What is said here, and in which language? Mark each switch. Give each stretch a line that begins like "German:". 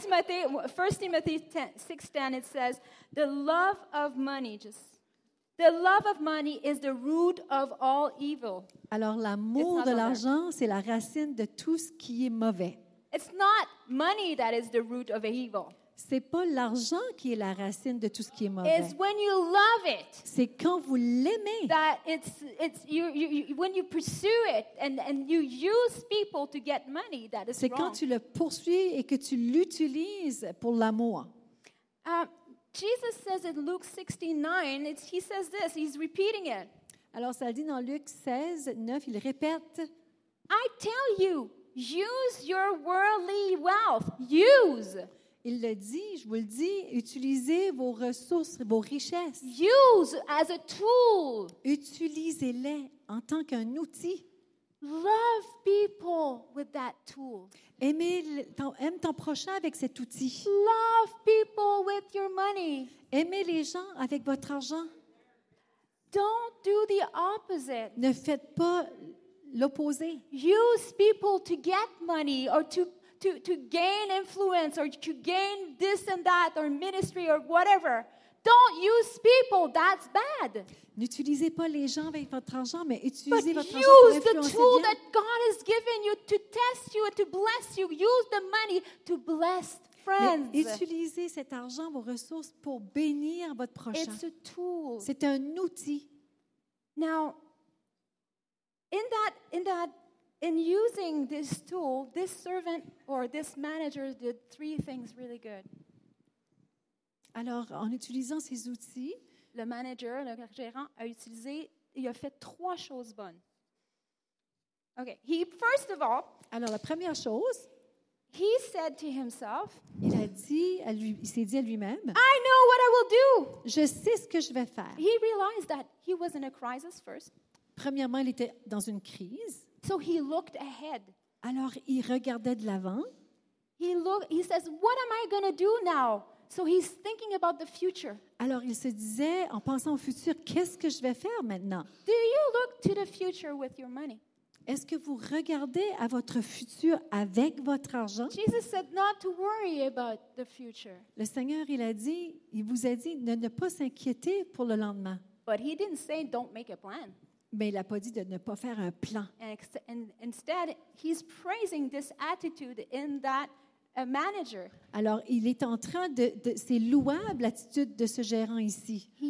English: 1 Timothy 6:10 it says, The love of money is the root of all evil.
French: Alors l'amour de l'argent, c'est la racine de tout ce qui est mauvais.
English: It's not money that is the root of evil.
French: C'est pas l'argent qui est la racine de tout ce qui est mauvais.
English: It's when you love it.
French: C'est quand vous l'aimez.
English: That it's you when you pursue it and you use people to get money that is
French: c'est
English: wrong.
French: C'est quand tu le poursuis et que tu l'utilises pour l'amour.
English: Jesus says in Luke 16:9, he says this, he's repeating it.
French: Alors ça dit dans Luc 16:9, il répète.
English: I tell you, Use your worldly wealth. Use.
French: Il le dit, je vous le dis, utilisez vos ressources, vos richesses.
English: Use as a tool.
French: Utilisez-les en tant qu'un outil.
English: Love people with that tool.
French: Aime ton prochain avec cet outil.
English: Love people with your money.
French: Aimez les gens avec votre argent.
English: Don't do the opposite.
French: Ne faites pas l'opposé.
English: Use people to get money or to gain influence or to gain this and that or ministry or whatever. Don't use people, that's bad.
French: N'utilisez pas les gens avec votre argent, mais utilisez
English: but
French: votre argent pour influencer bien.
English: Use the tool that God has given you to test you and to bless you. Use the money to bless friends.
French: Mais utilisez cet argent, vos ressources, pour bénir votre prochain.
English: It's a tool.
French: C'est un outil.
English: Now, in using this tool, this servant or this manager did three things really good.
French: Alors, en utilisant ces outils, le manager, le gérant, a utilisé, il a fait trois choses bonnes.
English: Okay, he first of all.
French: Alors, la première chose.
English: He said to himself.
French: Il a dit à lui, il s'est dit à lui-même.
English: I know what I will do.
French: Je sais ce que je vais faire.
English: He realized that he was in a crisis first.
French: Premièrement, il était dans une crise.
English: So he looked ahead.
French: Alors, il regardait de l'avant.
English: He says, what am I going to do now? So he's thinking about the future.
French: Alors il se disait en pensant au futur, qu'est-ce que je vais faire maintenant?
English: Do you look to the future with your money?
French: Est-ce que vous regardez à votre futur avec votre argent?
English: Jesus said not to worry about the future.
French: Le Seigneur il vous a dit de ne pas s'inquiéter pour le lendemain.
English: But he didn't say don't make a plan.
French: Mais il a pas dit de ne pas faire un plan.
English: And instead he's praising this attitude in that a manager.
French: Alors, il est en train de c'est louable l'attitude de ce gérant ici.